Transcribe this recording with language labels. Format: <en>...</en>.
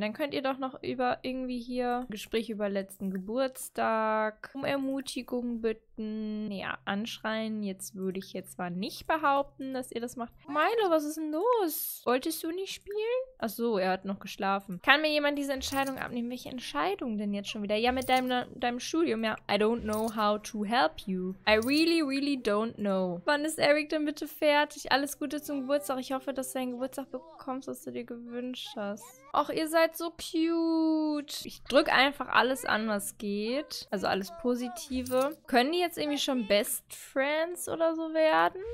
<de>Dann könnt ihr doch noch über irgendwie hier Gespräch über letzten Geburtstag, um Ermutigung bitten. Ja, anschreien. Jetzt würde ich jetzt zwar nicht behaupten, dass ihr das macht. Milo, was ist denn los? Wolltest du nicht spielen? Ach so, er hat noch geschlafen. Kann mir jemand diese Entscheidung abnehmen? Welche Entscheidung denn jetzt schon wieder? Ja, mit deinem Studium.</de> <en>Ja, I don't know how to help you. I really, really don't know.</en> <de>Wann ist Eric denn bitte fertig? Alles Gute zum Geburtstag. Ich hoffe, dass du deinen Geburtstag bekommst, was du dir gewünscht hast. Och, ihr seid so cute. Ich drücke einfach alles an, was geht. Also alles Positive. Können die jetzt irgendwie schon Best Friends oder so werden?</de>